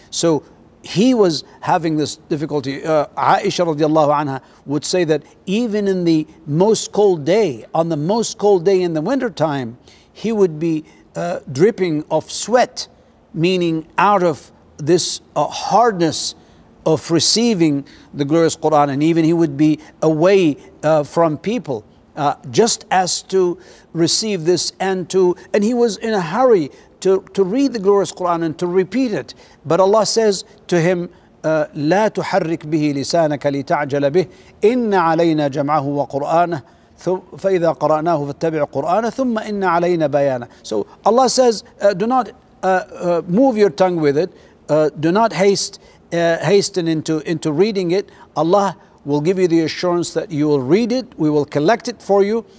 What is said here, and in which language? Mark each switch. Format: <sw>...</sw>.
<en>So he was having this difficulty. Aisha radiallahu anha would say that even in the most cold day, on the most cold day in the winter time, he would be dripping of sweat, meaning out of this hardness of receiving the glorious Quran, and even he would be away from people just as to receive this, and he was in a hurry to read the glorious Quran and to repeat it. But Allah says to him,</en> <ar>لَا تُحَرِّكْ بِهِ لِسَانَكَ لِتَعْجَلَ بِهِ إِنَّ عَلَيْنَا جَمْعَهُ وَقُرْآنَهُ فَإِذَا قَرَأْنَاهُ فَاتَّبِعُ قُرْآنَهُ ثُمَّ إِنَّ عَلَيْنَا بَيَانَهُ.</ar> <en>So Allah says, do not move your tongue with it. Do not hasten into reading it. Allah will give you the assurance that you will read it. We will collect it for you.</en>